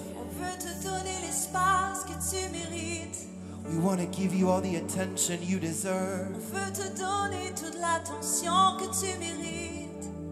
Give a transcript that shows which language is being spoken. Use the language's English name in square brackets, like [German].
[French] On veut te donner l'espace que tu mérites. [English] We want to give you all the attention you deserve. [French] On veut te donner toute l'attention que tu mérites.